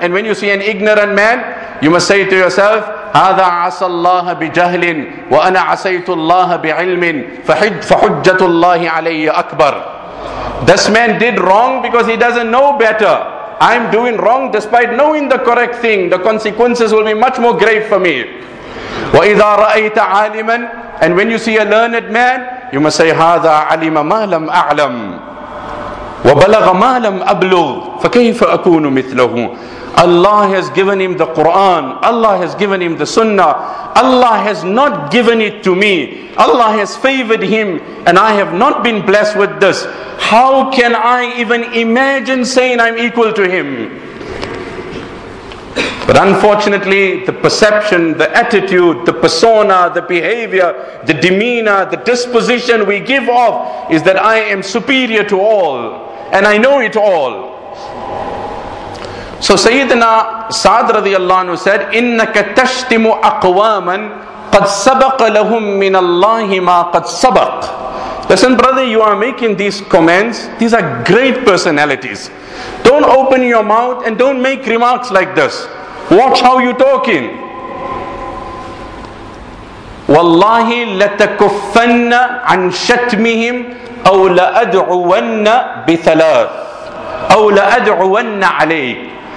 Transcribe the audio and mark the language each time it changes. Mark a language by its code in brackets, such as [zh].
[en] And when you see an ignorant man, you must say to yourself, [ar] هَذَا عَسَى اللَّهَ بِجَهْلٍ وَأَنَا عَسَيْتُ اللَّهَ بِعِلْمٍ فَحُجَّةُ اللَّهِ عَلَيَّ أَكْبَرٍ. [en] This man did wrong because he doesn't know better. I'm doing wrong despite knowing the correct thing. The consequences will be much more grave for me. [ar] وَإِذَا رَأَيْتَ عَالِمًا. [en] And when you see a learned man, you must say, [ar] هَذَا عَلِمَ مَا لَمْ أَعْلَمْ وَبَلَغَ مَا لَمْ أَبْلُغْ فَكَيْفَ أَكُونُ مِثْلَهُ. [en] Allah has given him the Quran. Allah has given him the Sunnah. Allah has not given it to me. Allah has favored him, and I have not been blessed with this. How can I even imagine saying I'm equal to him? But unfortunately, the perception, the attitude, the persona, the behavior, the demeanor, the disposition we give off is that I am superior to all, and I know it all. So Sayyidina Sa'd radiallahu anhu said, [ar] إِنَّكَ تَشْتِمُ أَقْوَامًا قَدْ سَبَقَ لَهُمْ مِنَ اللَّهِ مَا قَدْ سَبَقَ. [en] Listen brother, you are making these comments. These are great personalities. Don't open your mouth and don't make remarks like this. Watch how you're talking. [ar] وَاللَّهِ لَتَكُفَّنَّ عَنْ شَتْمِهِمْ أَوْ لَأَدْعُوَنَّ بِثَلَاثٍ أَوْ لَأَدْعُوَنَّ عَلَيْكَ.